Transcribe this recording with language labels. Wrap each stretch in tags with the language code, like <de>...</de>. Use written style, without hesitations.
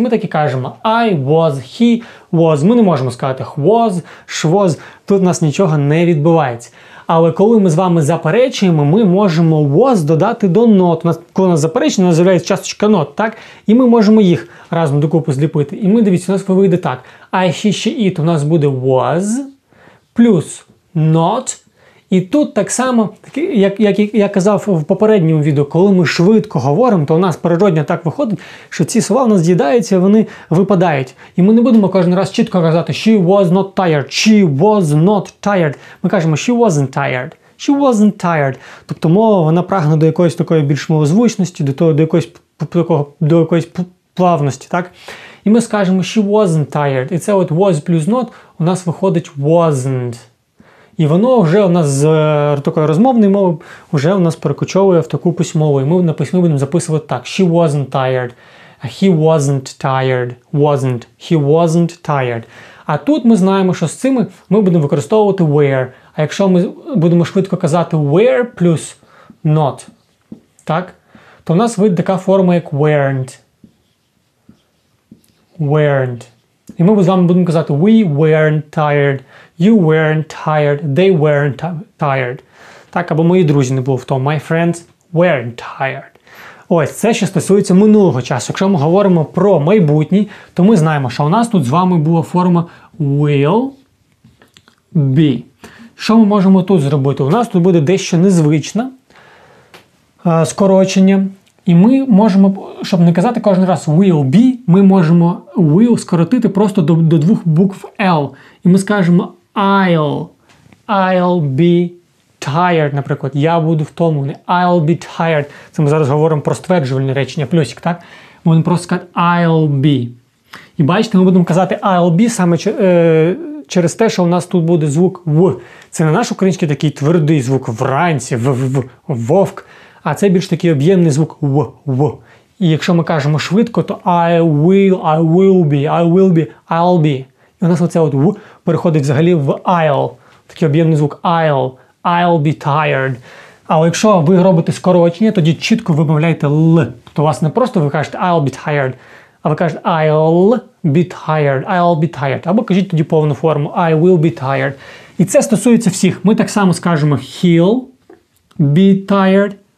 <uk>Ми так і кажемо</uk> <en>I was, he was.</en> <uk>Ми не можемо сказати</uk> <en>was, she was.</en> <uk>Тут у нас нічого не відбувається. Але коли ми з вами заперечуємо, ми можемо was додати до not. Коли у нас заперечення, у нас з'являється часточка not, так? І ми можемо їх разом докупу зліпити. І ми, дивіться, у нас вийде так. I, he, she, it у нас буде was плюс not. І тут так само, як я казав в попередньому відео, коли ми швидко говоримо, то у нас природньо так виходить, що ці слова у нас з'їдаються, вони випадають. І ми не будемо кожен раз чітко казати</uk> <en>«She was not tired», «She was not tired».</en> <uk>Ми кажемо</uk> <en>«She wasn't tired», «She wasn't tired».</en> <uk>Тобто мова, вона прагне до якоїсь такої більш мовозвучності, до якоїсь такого, до якоїсь плавності, так? І ми скажемо,</uk> <en>she wasn't tired.</en> <uk>І це от was плюс not у нас виходить wasn't. І воно вже у нас з такої розмовної мови вже у нас перекочовує в таку письмову. І ми на письмі будемо записувати так.</uk> <en>She wasn't tired. He wasn't tired. Wasn't. He wasn't tired.</en> <uk>А тут ми знаємо, що з цими ми будемо використовувати were. А якщо ми будемо швидко казати were плюс not, так, то у нас вийде така форма як weren't. Weren't. І ми з вами будемо казати</uk> <en>we weren't tired, you weren't tired,</en> <uk>they weren't tired. Так, або мої друзі не були в тому.</uk> <en>My friends weren't tired.</en> <uk>Ось, це ще стосується минулого часу. Якщо ми говоримо про майбутнє, то ми знаємо, що у нас тут з вами була форма will be. Що ми можемо тут зробити? У нас тут буде дещо незвичне скорочення. І ми можемо, щоб не казати кожен раз will be, ми можемо will скоротити просто до двох букв L. І ми скажемо</uk> <en>I'll be tired,</en> <uk>наприклад. Я буду втомлений.</uk> <en>I'll be tired.</en> <uk>Це ми зараз говоримо про стверджувальне речення, плюсик, так? Ми будемо просто сказати I'll be. І бачите, ми будемо казати I'll be саме через те, що у нас тут буде звук W. Це не наш український такий твердий звук вранці, вовк. А це більш такий об'ємний звук «в», «в». І якщо ми кажемо швидко, то</uk> <en>I will be, I'll be.</en> <uk>І у нас оце от «в» переходить взагалі в «I'll». Такий об'ємний звук «I'll»,</uk> <en>«I'll be tired».</en> <uk>А якщо ви робите скорочення, тоді чітко вимовляєте «л». Тобто у вас не просто ви кажете</uk> <en>«I'll be tired»,</en> <uk>а ви кажете</uk> <en>«I'll be tired».</en> <uk>Або кажіть тоді повну форму</uk> <en>«I will be tired».</en> <uk>І це стосується всіх. Ми так само скажемо</uk> <en>«he'll be tired».</en>